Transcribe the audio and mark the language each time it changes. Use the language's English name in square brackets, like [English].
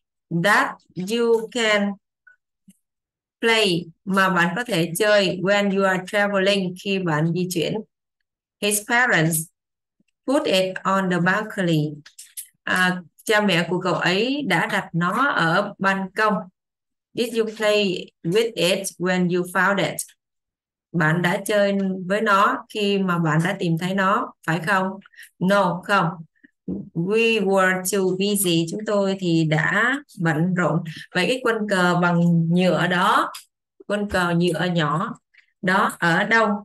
[English] That you can play, [Vietnamese] mà bạn có thể chơi [English] when you are traveling, [Vietnamese] khi bạn di chuyển. [English] His parents put it on the balcony. [Vietnamese] Cha mẹ của cậu ấy đã đặt nó ở ban công. [English] Did you play with it when you found it? [Vietnamese] Bạn đã chơi với nó khi mà bạn đã tìm thấy nó, phải không? No, không. [English] We were too busy. [Vietnamese] Chúng tôi thì đã bận rộn. Vậy cái quân cờ bằng nhựa đó, quân cờ nhựa nhỏ đó ở đâu?